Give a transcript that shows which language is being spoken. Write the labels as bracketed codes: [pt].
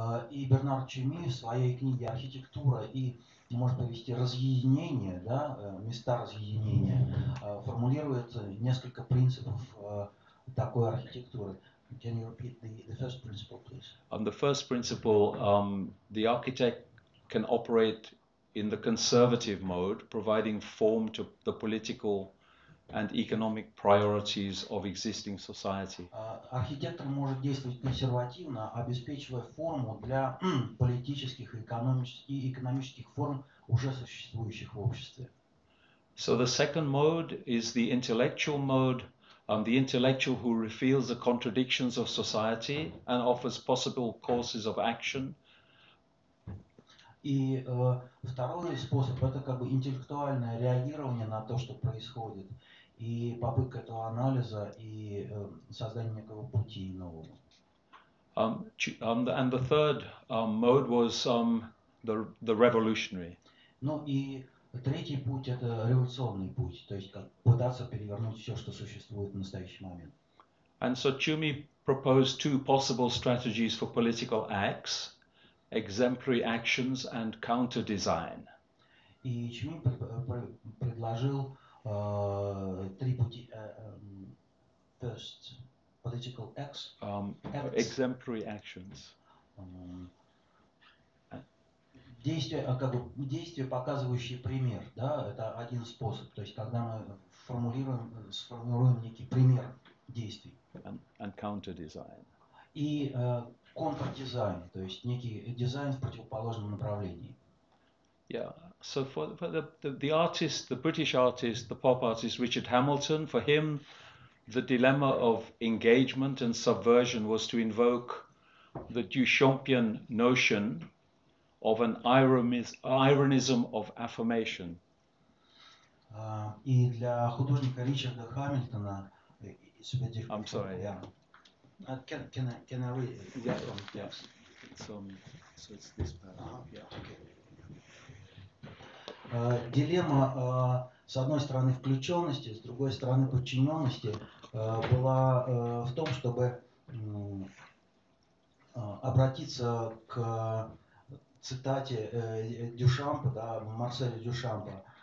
[ru] И Бернард Тюми в своей книге «Архитектура» и может повести разъединение, да, места разъединения, формулирует несколько принципов такой архитектуры. [en] Can you repeat the first principle, please? On the first principle, the architect can operate in the conservative mode, providing form to the political and economic priorities of existing society. [ru] Архитектор может действовать консервативно, обеспечивая форму для политических и экономических форм уже существующих в обществе. [en] So the second mode is the intellectual mode, the intellectual who reveals the contradictions of society and offers possible courses of action. [ru] И второй способ – это как бы интеллектуальное реагирование на то, что происходит, и попытка этого анализа, и создание некого пути нового. [en] And the third mode was the revolutionary. [ru] Ну и третий путь – это революционный путь, то есть как пытаться перевернуть все, что существует в настоящий момент. [en] And so Tschumi proposed two possible strategies for political acts: exemplary actions and counter-design. [ru] И Чумин предложил три пути. [en] First, political acts. Exemplary actions. [ru] Действия, как бы, действия, показывающие пример, да, это один способ. То есть, когда мы сформулируем некий пример действий. [en] And counter-design. [ru] И контр-дизайн, то есть некий дизайн в противоположном направлении. [en] Yeah, so for the artist, the British artist, the pop artist Richard Hamilton, for him, the dilemma of engagement and subversion was to invoke the Duchampian notion of an ironism of affirmation. [ru] И для художника Ричарда Хамильтона, [en] I'm sorry. Yeah. Can I read it? Yeah. Yes. So it's this part. Uh-huh. Yeah. Okay. [ru] Дилемма, с одной стороны, включенности, с другой стороны, подчиненности, была в том, чтобы обратиться к цитате Дюшампа, да, Марселя Дюшампа.